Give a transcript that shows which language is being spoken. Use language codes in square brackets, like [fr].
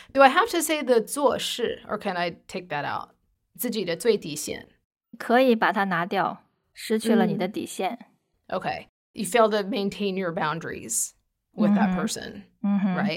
[en] Do I have to say the 做事, or can I take that out? [zh] 自己的最底线. 可以把它拿掉,失去了你的底线. [en] Okay. You fail to maintain your boundaries with that person, right?